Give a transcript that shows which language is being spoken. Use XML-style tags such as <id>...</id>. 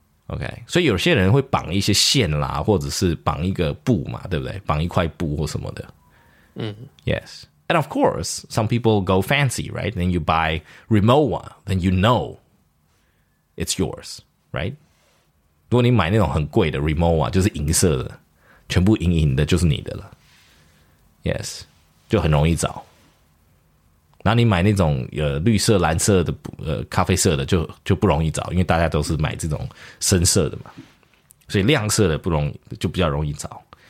<zh>OK, 所以有些人会绑一些线啦，或者是绑一个布嘛，对不对？绑一块布或什么的。嗯</zh> <en>，Yes, and of course, some people go fancy, right? Then you buy Rimowa, then you know it's yours, right?</en> <zh>如果你买那种很贵的 Rimowa, 就是银色的，全部银银的，就是你的了。</zh> <en>Yes,</en> <zh>就很容易找。那你买那种绿色蓝色的咖啡色的就不容易找，因为大家都是买这种深色的嘛，所以亮色的不容易，就比较容易找。</zh>